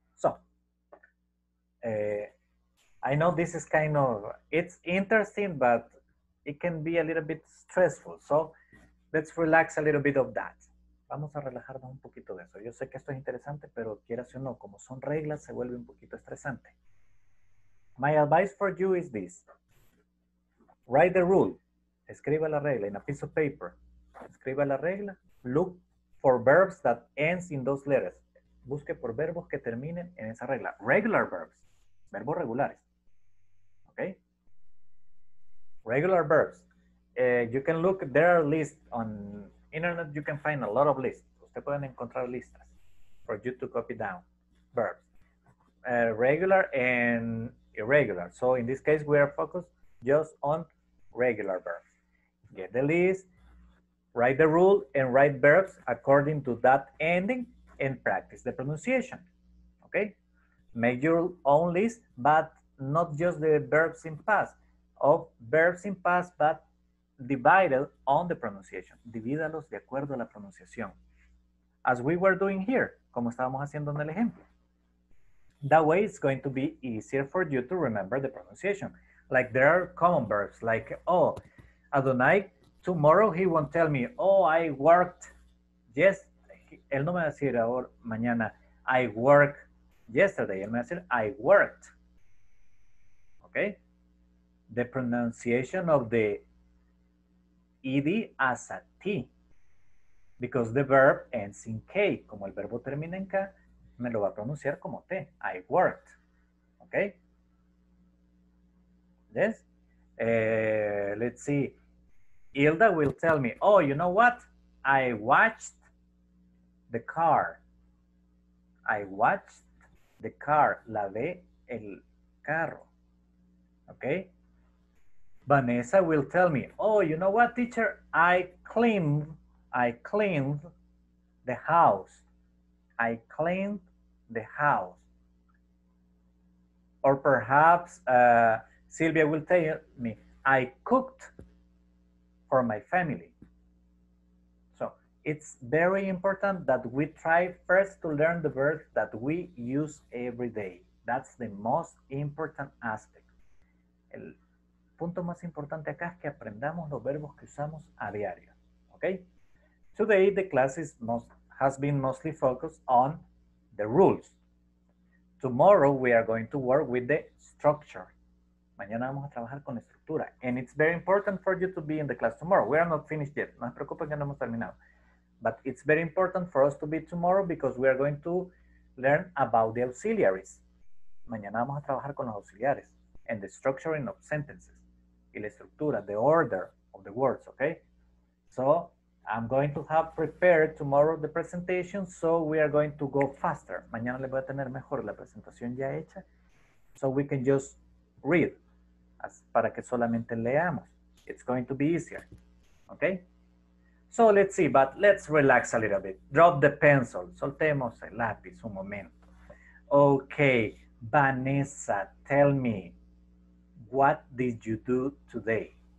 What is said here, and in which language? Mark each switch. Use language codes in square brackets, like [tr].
[en] So, I know this is kind of, it's interesting, but it can be a little bit stressful. So, let's relax a little bit of that. [es] Vamos a relajarnos un poquito de eso. Yo sé que esto es interesante, pero quieras o no, como son reglas, se vuelve un poquito estresante. [en] My advice for you is this. Write the rule. [es] Escriba la regla [en] in a piece of paper. [es] Escriba la regla. [en] Look for verbs that ends in those letters. [es] Busque por verbos que terminen en esa regla. [en] Regular verbs. [es] Verbos regulares. [en] Okay? Regular verbs. You can look their list on internet. You can find a lot of lists. [es] Usted pueden encontrar listas [en] for you to copy down. Verbs. Regular and irregular. So in this case, we are focused just on regular verbs. Get the list, write the rule, and write verbs according to that ending. And practice the pronunciation, okay? Make your own list, but not just the verbs in past. Of verbs in past, but divided on the pronunciation. [es] Divídalos de acuerdo a la pronunciación. [en] As we were doing here, [es] como estábamos haciendo en el ejemplo. [en] That way it's going to be easier for you to remember the pronunciation. Like there are common verbs, like, oh, Adonai, tomorrow he won't tell me, oh, I worked, yes, [es] él no me va a decir ahora, mañana, [en] I work yesterday. [es] Él me va a decir, [en] I worked. Okay? The pronunciation of the ED as a T. Because the verb ends in K. [es] Como el verbo termina en K, me lo va a pronunciar como T. [en] I worked. Okay? Yes? Let's see. Hilda will tell me, oh, you know what? I watched the car. I watched the car. [es] Lavé el carro. Okay? [en] Vanessa will tell me, oh, you know what, teacher? I cleaned the house. I cleaned the house. Or perhaps Sylvia will tell me, I cooked for my family. It's very important that we try first to learn the verbs that we use every day. That's the most important aspect. [es] El punto más importante acá es que aprendamos los verbos que usamos a diario. [en] Okay? Today, the class has been mostly focused on the rules. Tomorrow, we are going to work with the structure. [es] Mañana vamos a trabajar con la estructura. [en] And it's very important for you to be in the class tomorrow. We are not finished yet. [es] No se preocupen, ya no hemos terminado. [en] But it's very important for us to be tomorrow because we are going to learn about the auxiliaries. [es] Mañana vamos a trabajar con los auxiliares [en] and the structuring of sentences. [es] Y la estructura, [en] the order of the words, okay? So I'm going to have prepared tomorrow the presentation, so we are going to go faster. [es] Mañana le voy a tener mejor la presentación ya hecha, [en] so we can just read, [es] para que solamente leamos. [en] It's going to be easier, okay? So let's see, but let's relax a little bit. Drop the pencil. [es] Soltemos el lápiz un momento. [en] Okay, Vanessa, tell me, what did you do today?